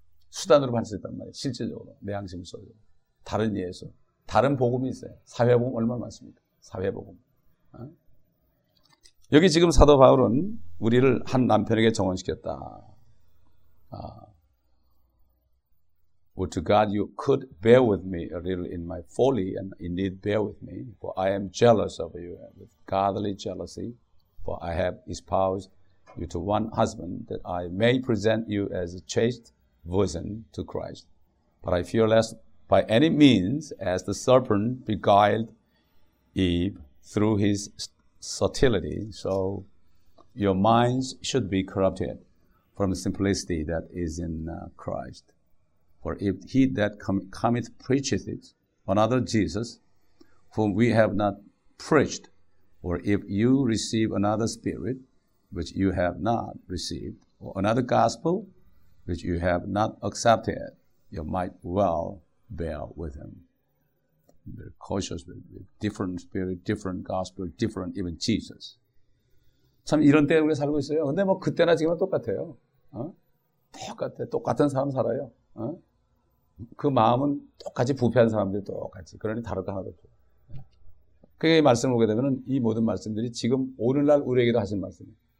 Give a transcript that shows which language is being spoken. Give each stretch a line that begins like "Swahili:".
Korean: 수단으로 받을 수 있단 말이에요. 실질적으로 내 양심을 써요. 다른 예수. 다른 복음이 있어요. 사회복음 얼마나 많습니까? 사회복음. 여기 지금 사도 바울은 우리를 한 남편에게 정혼시켰다.
English: Would to God you could bear with me a little in my folly and indeed bear with me, for I am jealous of you with godly jealousy, for I have espoused you to one husband that I may present you as a chaste virgin to Christ. But I fear lest by any means, as the serpent beguiled Eve through his subtlety, so your minds should be corrupted from the simplicity that is in Christ. For if he that cometh preacheth it, another Jesus, whom we have not preached, or if you receive another spirit, which you have not received, or another gospel, which you have not accepted, you might well bear with him. Very cautious with different spirit, different gospel, different even Jesus.
Korean: 참 이런 때에 우리 살고 있어요. 근데 뭐 그때나 지금은 똑같아요. 똑같아. 똑같은 사람 살아요. 그 마음은 똑같이 부패한 사람들이 똑같이. 그러니 다를 거 하나도 없어요. 그게 이 말씀을 보게 되면 이 모든 말씀들이 지금 오늘날 우리에게도 하신 말씀이에요.